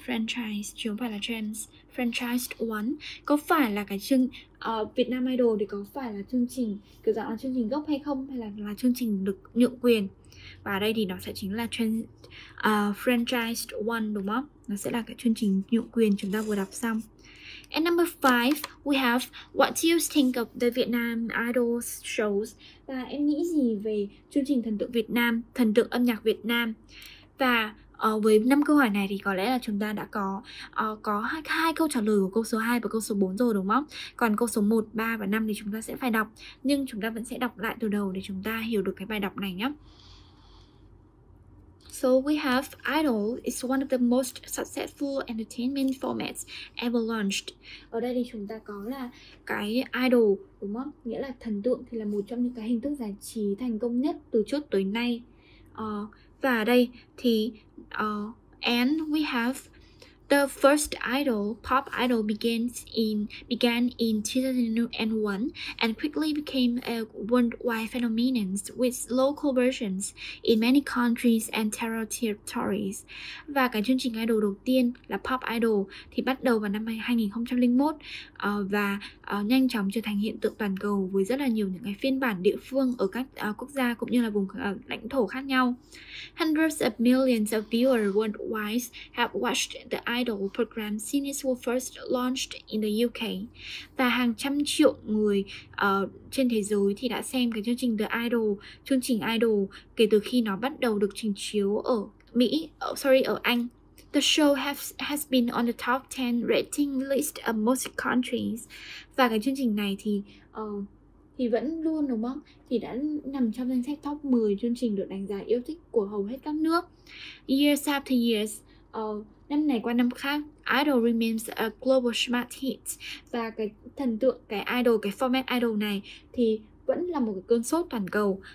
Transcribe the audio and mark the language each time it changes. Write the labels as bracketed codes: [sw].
[vi] Franchise, chứ không phải là trans. [en] Franchised one. [vi] Có phải là cái chương Vietnam Idol thì có phải là chương trình kiểu dạng là chương trình gốc hay không? Hay là chương trình được nhượng quyền? Và ở đây thì nó sẽ chính là [en] franchised one, [vi] đúng không? Nó sẽ là cái chương trình nhượng quyền chúng ta vừa đọc xong. [en] And number 5, we have what do you think of the Vietnam Idol shows? [vi] Và em nghĩ gì về chương trình thần tượng Việt Nam, thần tượng âm nhạc Việt Nam? Và với 5 câu hỏi này thì có lẽ là chúng ta đã có 2 câu trả lời của câu số 2 và câu số 4 rồi đúng không? Còn câu số 1, 3 và 5 thì chúng ta sẽ phải đọc. Nhưng chúng ta vẫn sẽ đọc lại từ đầu để chúng ta hiểu được cái bài đọc này nhé. [en] So we have Idol is one of the most successful entertainment formats ever launched. [vi] Ở đây thì chúng ta có là cái Idol, đúng không? Nghĩa là thần tượng thì là một trong những cái hình thức giải trí thành công nhất từ trước tới nay. Và ở đây thì [en] and we have the first idol, pop idol began in 2001 and quickly became a worldwide phenomenon with local versions in many countries and territories. [vi] Và cái chương trình idol đầu tiên là pop idol thì bắt đầu vào năm 2001 nhanh chóng trở thành hiện tượng toàn cầu với rất là nhiều những cái phiên bản địa phương ở các quốc gia cũng như là vùng lãnh thổ khác nhau. [en] Hundreds of millions of viewers worldwide have watched the idol program since it was first launched in the UK. [vi] Và hàng trăm triệu người trên thế giới thì đã xem cái chương trình The Idol, chương trình Idol kể từ khi nó bắt đầu được trình chiếu ở Mỹ, ở Anh. [en] The show has been on the top 10 rating list of most countries. [vi] Và cái chương trình này thì vẫn luôn đúng không? Thì đã nằm trong danh sách top 10 chương trình được đánh giá yêu thích của hầu hết các nước. [en] Years after years, [vi] năm này qua năm khác, [en] Idol remains a global smash hit. [vi] Và cái thần tượng, cái idol, cái format idol này thì vẫn là một cái cơn sốt toàn cầu.